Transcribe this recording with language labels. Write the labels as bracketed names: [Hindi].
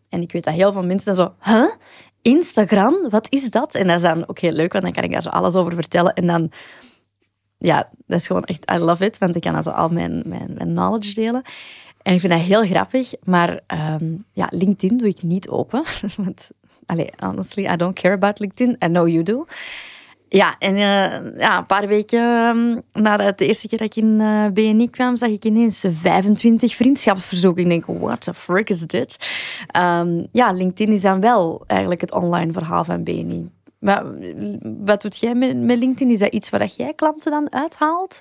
[Dutch] En ik weet dat heel veel mensen dan zo... Huh? Instagram? Wat is dat? En dat is dan ook heel leuk, want dan kan ik daar zo alles over vertellen. En dan... Ja, dat is gewoon echt... [English] I love it, [Dutch] want ik kan dan zo al mijn knowledge delen. En ik vind dat heel grappig, maar LinkedIn doe ik niet open. Want, [English] honestly, I don't care about LinkedIn. I know you do. [Dutch] Ja, en een paar weken na de eerste keer dat ik in BNI kwam, zag ik ineens 25 vriendschapsverzoeken. Ik denk, [English] what the frick is [Dutch] dit? LinkedIn is dan wel eigenlijk het online verhaal van BNI. Maar wat doet jij met LinkedIn? Is dat iets waar jij klanten dan uithaalt?